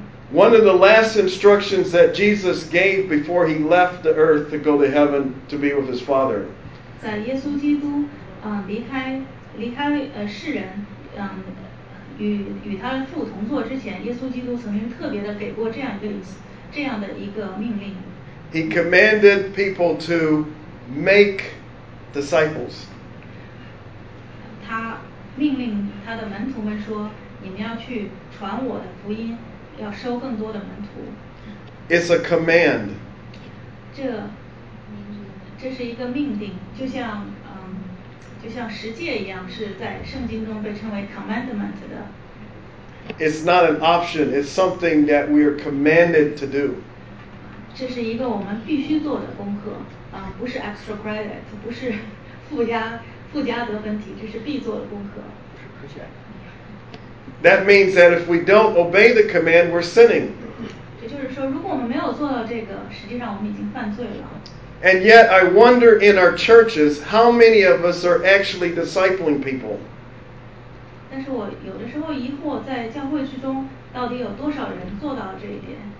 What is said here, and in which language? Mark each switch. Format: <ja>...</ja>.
<en>One of the last instructions that Jesus gave before he left the earth to go to heaven to be with his Father.</en> <zh>在耶稣基督与他父同坐之前，耶稣基督曾经特别的给过这样的一个命令。</zh> <en>He commanded people to make disciples.</en> <zh>他命令他的门徒们说。你们要去传我的福音，要收更多的门徒。</zh> <en>It's a command.</en> <zh>这是一个命令，就像十诫一样，是在圣经中被称为 commandment 的。</zh> <en>It's not an option. It's something that we are commanded to do.</en> <zh>这是一个我们必须做的功课，不是</zh> <en>extra credit，</en> <zh>不是附加得分题，这是必做的功课。是科学。</zh> <en>That means that if we don't obey the command, we're sinning.</en> <zh>也就是说，如果我们没有做到这个，实际上我们已经犯罪了。</zh> <en>And yet, I wonder in our churches how many of us are actually discipling people.</en> <zh>但是我有的时候疑惑，在教会之中到底有多少人做到了这一点？</zh>